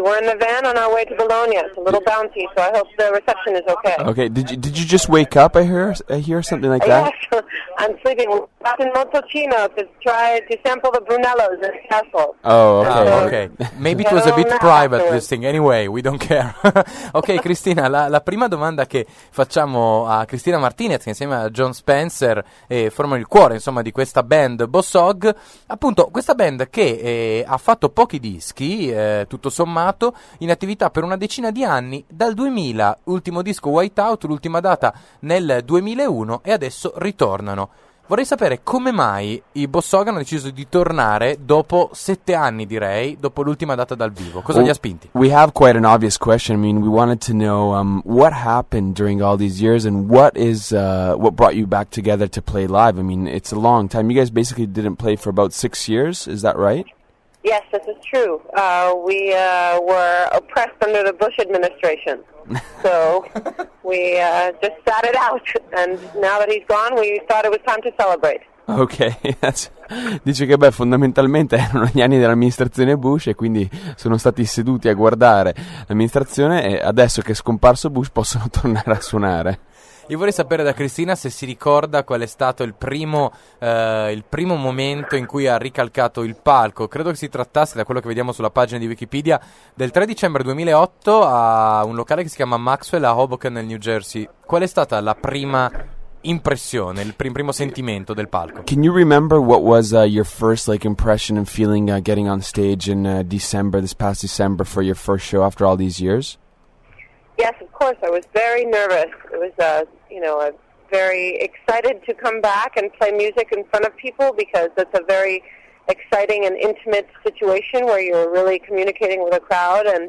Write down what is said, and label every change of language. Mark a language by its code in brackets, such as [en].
[en] We're in the van on our way to Bologna. It's a little bouncy, so I hope the reception is okay. Okay. Did you just wake up? I hear something like that. Yes, I'm sleeping. We're back in Montalcino to sample the Brunellos in the castle. Oh, okay. So, okay. Maybe it was a bit private, this thing. Anyway, we don't care. [it] Ok, Cristina, la prima domanda che facciamo a Cristina Martinez, insieme a John Spencer, formano il cuore, insomma, di questa band Bossog. Appunto, questa band che ha fatto pochi dischi, tutto sommato, in attività per una decina di anni, dal 2000, ultimo disco Whiteout, l'ultima data nel 2001, e adesso ritornano. Vorrei sapere come mai i Bossog hanno deciso di tornare dopo 7 anni, direi, dopo l'ultima data dal vivo. Cosa li ha spinti? [en] We have quite an obvious question. I mean, we wanted to know what happened during all these years and what brought you back together to play live. I mean, it's a long time. You guys basically didn't play for about 6 years, is that right? Yes, this is true. We were oppressed under the Bush administration. So we just sat it out, and now that he's gone, we thought it was time to celebrate. [it] Okay, dice che beh, fondamentalmente erano gli anni dell'amministrazione Bush e quindi sono stati seduti a guardare l'amministrazione e adesso che è scomparso Bush possono tornare a suonare. Io vorrei sapere da Cristina se si ricorda qual è stato il primo momento in cui ha ricalcato il palco. Credo che si trattasse, da quello che vediamo sulla pagina di Wikipedia, del 3 dicembre 2008 a un locale che si chiama Maxwell a Hoboken nel New Jersey. Qual è stata la prima impressione, il primo sentimento del palco? [en] Can you remember what was your first like impression and feeling getting on stage in December, this past December, for your first show after all these years? Yes, of course. I was very nervous. It was, very excited to come back and play music in front of people because it's a very exciting and intimate situation where you're really communicating with a crowd.